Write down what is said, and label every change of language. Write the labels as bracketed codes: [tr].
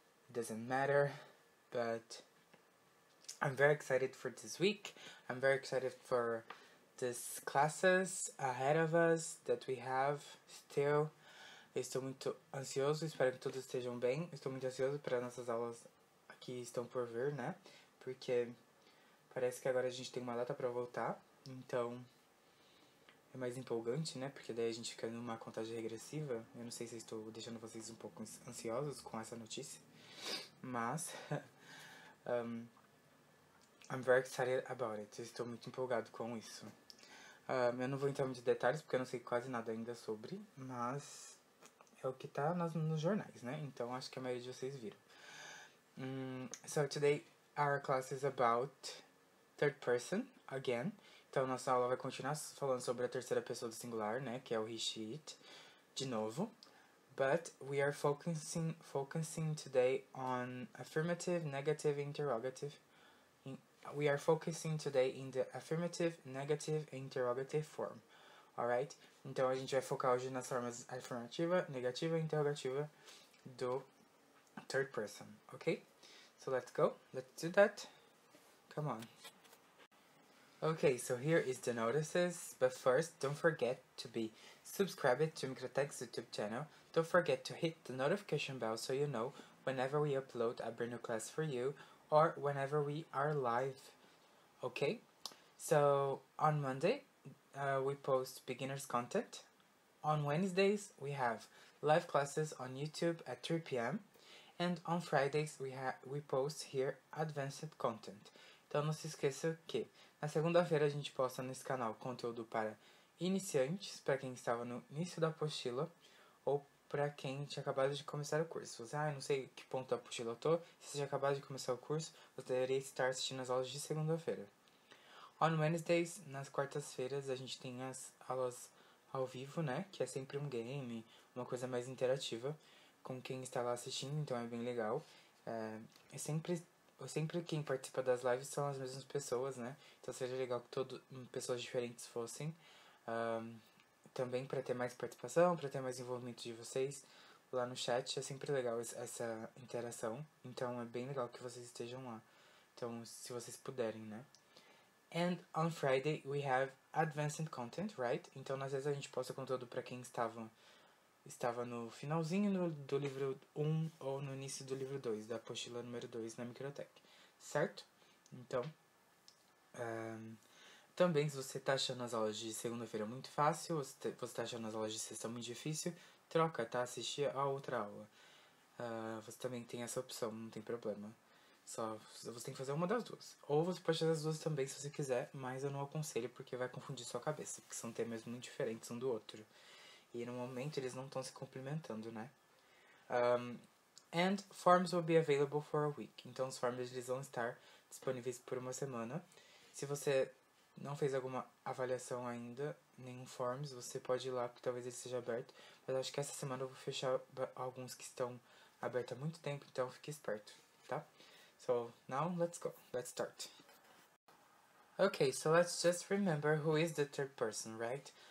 [en] It doesn't matter, but I'm very excited for this week. I'm very excited for these classes ahead of us that we have still. [pt] Estou muito ansioso, espero que todos estejam bem. Estou muito ansioso para nossas aulas que estão por vir, né? Porque parece que agora a gente tem uma data para voltar. Então, é mais empolgante, né? Porque daí a gente fica numa contagem regressiva. Eu não sei se estou deixando vocês um pouco ansiosos com essa notícia. [en] Mas, I'm very excited about it. [pt] Estou muito empolgado com isso. Eu não vou entrar muito em detalhes, porque eu não sei quase nada ainda sobre. Mas... é o que tá nos jornais, né? Então, acho que a maioria de vocês viram. [en] So, today our class is about third person, again. [pt] Então, nossa aula vai continuar falando sobre a terceira pessoa do singular, né? Que é o he, she, it, de novo. [en] But we are focusing today on affirmative, negative, interrogative. We are focusing today in the affirmative, negative, interrogative form. Alright? [pt] Então, a gente vai focar hoje nas formas afirmativa, negativa e interrogativa do third person, ok? [en] So, let's go. Let's do that. Come on. Okay, so here is the notices. But first, don't forget to be subscribed to Microtech's YouTube channel. Don't forget to hit the notification bell so you know whenever we upload a brand new class for you or whenever we are live, okay? So, on Monday... we post beginner's content. On Wednesdays, we have live classes on YouTube at 3 p.m. And on Fridays, we post here advanced content. [pt] Então, não se esqueça que na segunda-feira a gente posta nesse canal conteúdo para iniciantes, para quem estava no início da apostila, ou para quem tinha acabado de começar o curso. Você, não sei que ponto da apostila eu tô. Se você já acabou de começar o curso, você deveria estar assistindo as aulas de segunda-feira. [en] On Wednesdays, [pt] nas quartas-feiras, a gente tem as aulas ao vivo, né? Que é sempre um game, uma coisa mais interativa com quem está lá assistindo, então é bem legal. Sempre quem participa das lives são as mesmas pessoas, né? Então seria legal que todas pessoas diferentes fossem. Também para ter mais participação, para ter mais envolvimento de vocês lá no chat. É sempre legal essa interação, então é bem legal que vocês estejam lá. Então, se vocês puderem, né? [en] And on Friday, we have advanced content, right? [pt] Então, às vezes, a gente posta conteúdo para quem estava no finalzinho do livro 1 ou no início do livro 2, da apostila número 2 na Microtech, certo? Então, também, se você está achando as aulas de segunda-feira muito fácil, ou se você está achando as aulas de sexta muito difícil, troca, tá? Assistir a outra aula. Você também tem essa opção, não tem problema. Só você tem que fazer uma das duas. Ou você pode fazer as duas também, se você quiser, mas eu não aconselho, porque vai confundir sua cabeça, porque são temas muito diferentes um do outro. E no momento eles não estão se complementando, né? And forms will be available for a week. Então, os forms eles vão estar disponíveis por uma semana. Se você não fez alguma avaliação ainda, nenhum forms, você pode ir lá, porque talvez ele seja aberto. Mas acho que essa semana eu vou fechar alguns que estão abertos há muito tempo, então fique esperto, tá? [en] So, now, let's go. Let's start. Okay, so let's just remember who is the third person, right?